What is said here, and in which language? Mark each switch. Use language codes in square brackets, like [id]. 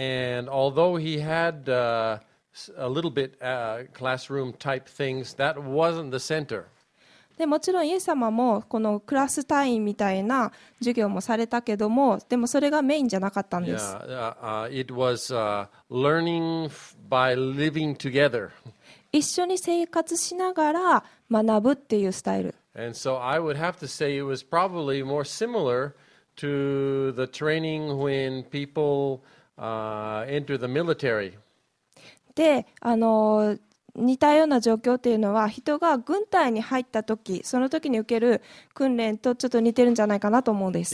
[en] And although he had a little bit classroom type things, that wasn't the center. [ja] でもちろんイエス様もこのクラス単位みたいな授業もされたけども、でもそれがメインじゃなかったんです。 [en] It was learning by living together. [ja] 一緒に生活しながら学ぶっていうスタイル。 [en] And so I would have to say it was probably more similar to the training when people enter the military. [ja] で、似たような状況っていうのは人が軍隊に入った時、その時に受ける訓練とちょっと似てるんじゃないかなと思うんです。